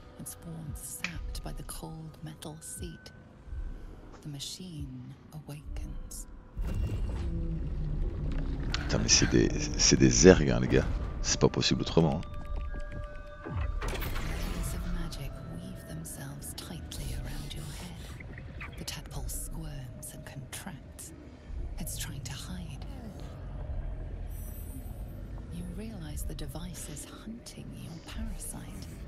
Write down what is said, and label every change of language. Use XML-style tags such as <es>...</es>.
<en>Its warmth sapped by the cold metal seat. The machine awakens.</en> <fr>Putain, mais c'est des zergs, hein, les gars. C'est pas possible autrement.</fr> <en>Threads of magic weave themselves tightly around your head. The tadpole squirms and contracts. It's trying to hide. You realize the device is hunting your parasite.</en>